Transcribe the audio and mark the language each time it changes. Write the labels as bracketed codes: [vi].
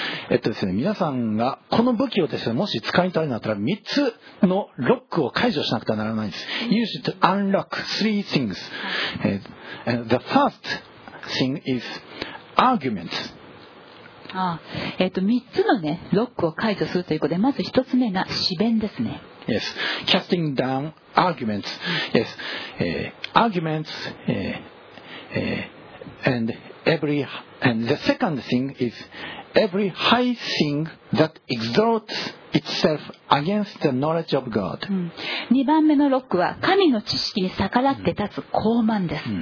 [ja] ですね、皆さんがこの武器をですね、もし使いたいなったら3つのロックを解除しなくてはならないんです。 [en] You should unlock three things. The first thing is arguments. [ja] ああ、3つのね、ロックを解除するということで、まず1つ目が詩弁ですね。 [en] Yes, casting down arguments. Yes, arguments and the second thing is every high thing that exalts itself against the knowledge of God. [ja] 2番目のロックは神の知識に逆らって立つ高慢です。